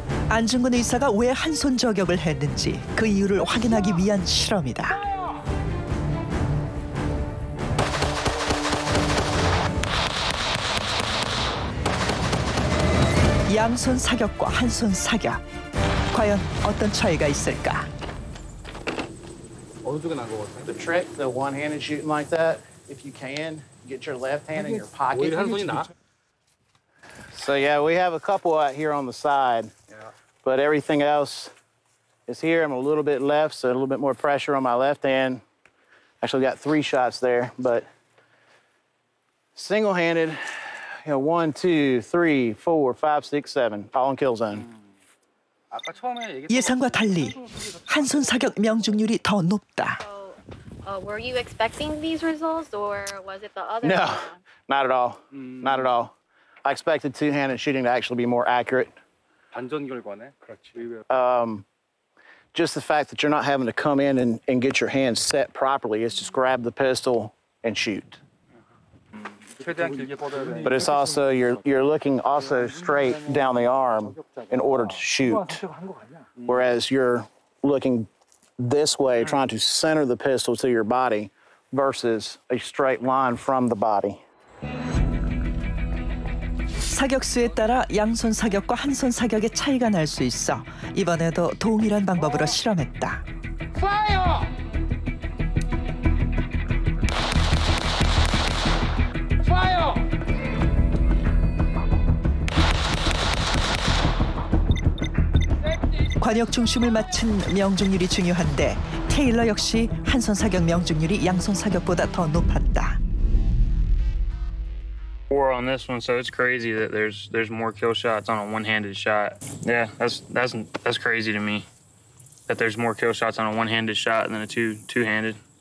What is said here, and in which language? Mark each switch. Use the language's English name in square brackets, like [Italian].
[Korean] 안중근 의사가 왜 한손 저격을 했는지 그 이유를 확인하기 위한 실험이다. 양손 사격과 한손 사격. 과연 어떤 차이가 있을까? 어느 쪽에 난 것 같아? [English] The trick, the one-handed shooting like that, if you can, get your left hand in your pocket. [Korean] 오히려 한 손이 나? [English] So yeah, we have a couple out here on the side. But everything else is here. I'm a little bit left, so a little bit more pressure on my left hand. Actually got three shots there, but single-handed, you know, one, two, three, four, five, six, seven, all in kill zone. [Korean] 예상과 달리 한손 사격 명중률이 더 높다. [English] Were you expecting these results, or was it the other? No, not at all. Not at all. I expected two-handed shooting to actually be more accurate. [Korean] 반전 결과네. 그렇지. [English] Just the fact that you're not having to come in and get your hands set properly, it's just grab the pistol and shoot. But it's also you're looking also straight down the arm in order to shoot. Whereas you're looking this way trying to center the pistol to your body versus a straight line from the body. [Korean] 사격수에 따라 양손 사격과 한손 사격의 차이가 날 수 있어 이번에도 동일한 방법으로 실험했다. 관역 중심을 맞춘 명중률이 중요한데 테일러 역시 한손 사격 명중률이 양손 사격보다 더 높았다. [English] Four on this one, so it's crazy that there's more kill shots on a one-handed shot. Yeah, that's crazy to me that there's more kill shots on a one-handed shot than a two-handed.